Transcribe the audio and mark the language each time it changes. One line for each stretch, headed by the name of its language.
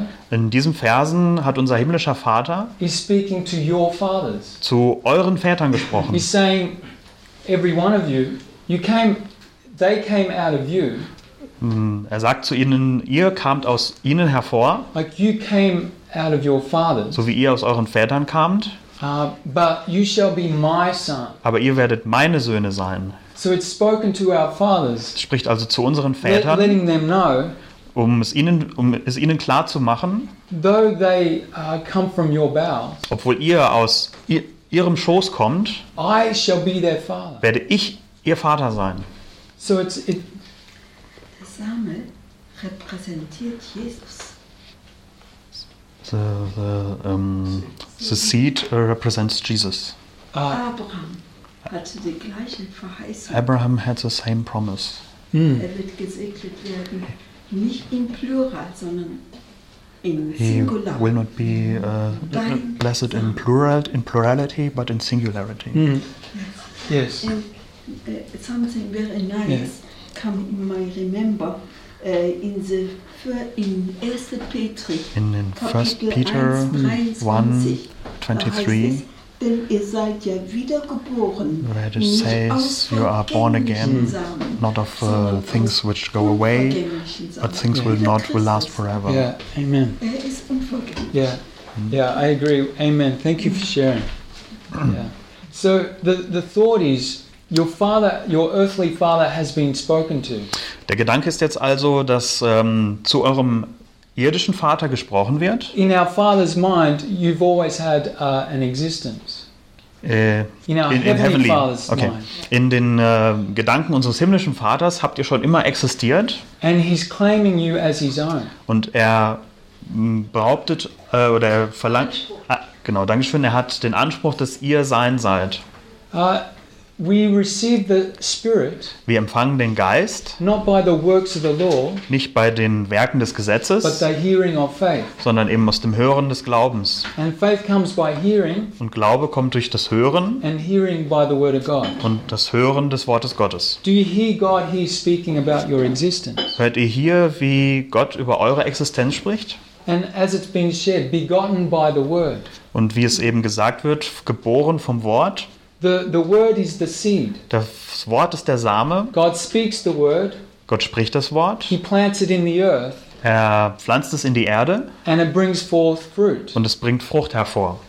German: In diesen Versen hat unser himmlischer Vater zu euren Vätern gesprochen.
English: He's saying, every one of you, you came, they came out of you.
German: Er sagt zu ihnen, ihr kamt aus ihnen hervor.
English: Like you came out of your fathers.
German: So wie ihr aus euren Vätern kamt.
English: But you shall be my son.
German: Aber ihr werdet meine Söhne sein.
English: So it's spoken to our fathers.
German: Spricht also zu unseren Vätern.
English: Letting them know.
German: Um es ihnen klar zu machen.
English: Though they come from your bowels.
German: Obwohl ihr aus ihrem Schoß kommt.
English: I shall be their father.
German: Werde ich ihr Vater sein.
English: So it's it.
German: Der Same repräsentiert Jesus.
English: The seed represents Jesus.
German: Abraham hatte die gleiche Verheißung.
English: Abraham had the same promise. Mm.
German: Er wird gesegnet werden, nicht im Plural, sondern in
English: he
German: Singular.
English: He will not be blessed in plural, in plurality, but in singularity. Mm. Yes. And, something very nice come in my remember. In 1 Peter 1:23, where it says, you are born again, not of things which go away, but things will last forever. Yeah, amen. Yeah, I agree. Amen. Thank you for sharing. Yeah. So the thought is, your father, your earthly father has been spoken to.
German: Der Gedanke ist jetzt also, dass zu eurem irdischen Vater gesprochen wird.
English: In our father's mind, you've always had an existence.
German: In den Gedanken unseres himmlischen Vaters habt ihr schon immer existiert.
English: And he's claiming you as his own.
German: Und er behauptet oder er verlangt, genau, Dankeschön, er hat den Anspruch, dass ihr sein seid.
English: We receive the Spirit,
German: wir empfangen den Geist,
English: not by the works of the law,
German: nicht bei den Werken des Gesetzes,
English: but the hearing of faith.
German: Sondern eben aus dem Hören des Glaubens.
English: And faith comes by hearing,
German: und Glaube kommt durch das Hören
English: and hearing by the word of God.
German: Und das Hören des Wortes Gottes.
English: Do you hear God here speaking about your existence?
German: Hört ihr hier, wie Gott über eure Existenz spricht?
English: And as it's been shared, begotten by the word.
German: Und wie es eben gesagt wird, geboren vom Wort.
English: The word is the seed.
German: Das Wort ist der Same.
English: God speaks the word.
German: Gott spricht das Wort.
English: He plants it in the earth.
German: Er pflanzt es in die Erde.
English: And it brings forth fruit.
German: Und es bringt Frucht hervor.